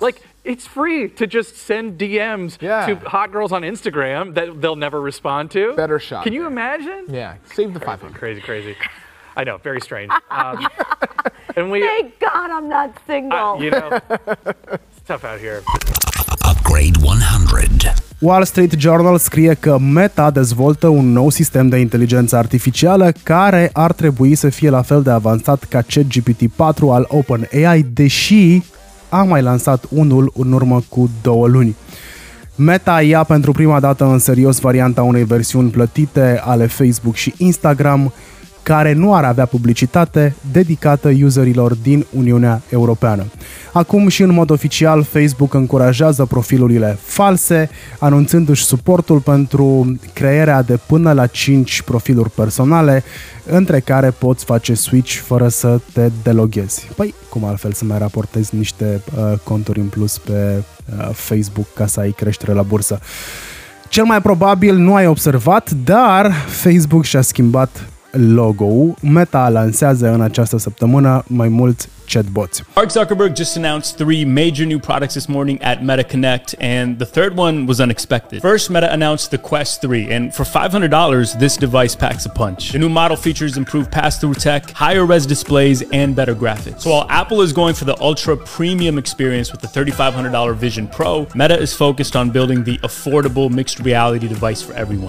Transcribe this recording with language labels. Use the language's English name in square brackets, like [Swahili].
[English] Like, it's free to just send DMs to hot girls on Instagram that they'll never respond to. Better shot. Can you imagine? Yeah, save the 500. Crazy, crazy. I know, very strange. and we. Thank God I'm not single. You know, it's tough out here. Upgrade 100. [Romanian] Wall Street Journal scrie că Meta dezvoltă un nou sistem de inteligență artificială care ar trebui să fie la fel de avansat ca ChatGPT-4 al OpenAI, deși a mai lansat unul în urmă cu 2 luni. Meta ia pentru prima dată în serios varianta unei versiuni plătite ale Facebook și Instagram, care nu ar avea publicitate dedicată userilor din Uniunea Europeană. Acum și în mod oficial, Facebook încurajează profilurile false, anunțându-și suportul pentru crearea de până la 5 profiluri personale, între care poți face switch fără să te deloghezi. Păi, cum altfel să mai raportezi niște conturi în plus pe Facebook ca să ai creștere la bursă? Cel mai probabil nu ai observat, dar Facebook și-a schimbat logo-ul. Meta lansează în această săptămână mai mulți [English] chatbots. Mark Zuckerberg just announced three major new products this morning at Meta Connect, and the third one was unexpected. First, Meta announced the Quest 3, and for $500, this device packs a punch. The new model features improved pass-through tech, higher res displays, and better graphics. So while Apple is going for the ultra-premium experience with the $3,500 Vision Pro, Meta is focused on building the affordable mixed reality device for everyone.